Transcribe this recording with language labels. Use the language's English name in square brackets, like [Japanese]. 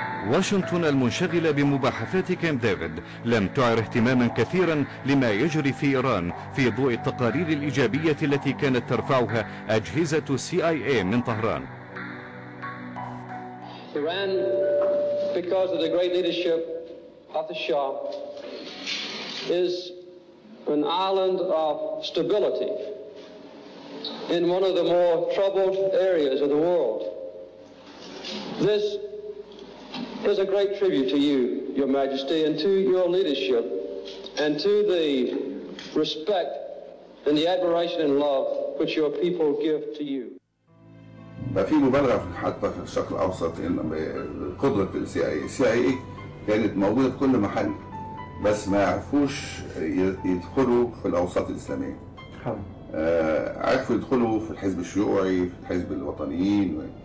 [Arabic] واشنطن المنشغلة بمباحثات كامب ديفيد لم تعر اهتماما كثيرا لما يجري في إيران في ضوء التقارير الإيجابية التي كانت ترفعها أجهزة CIA من طهران. [English] إيران because of the great leadership of the Shah is an island of stability in one of the more troubled areas of the world. This is a great tribute to you, Your Majesty, and to your leadership, and to the respect and the admiration and love which your people give to you. [Arabic] في مبالغة حتى في الشرق الأوسط إن قدرة CIA كانت موجودة في كل محل، بس ما عرفوش يدخلوا في الأوساط الإسلامية. عرفوا يدخلوا في الحزب الشيوعي، في الحزب الوطنيين.